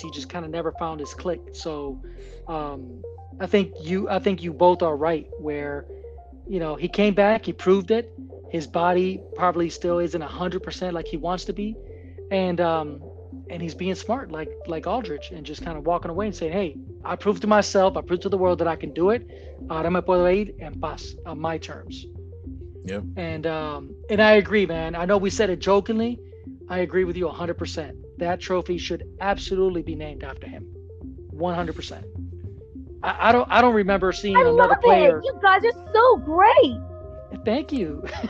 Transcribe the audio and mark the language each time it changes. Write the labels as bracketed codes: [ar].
[en] He just kind of never found his click. So I think you both are right where, you know, he came back, he proved it. His body probably still isn't 100% like he wants to be. And he's being smart like Aldridge and just kind of walking away and saying, hey, I proved to myself, I proved to the world that I can do it. [es] Ahora me puedo ir en paz [en] on my terms. Yep. And I agree, man. I know we said it jokingly, I agree with you 100%. That trophy should absolutely be named after him. 100%. I don't remember seeing another player. You guys are so great. Thank you.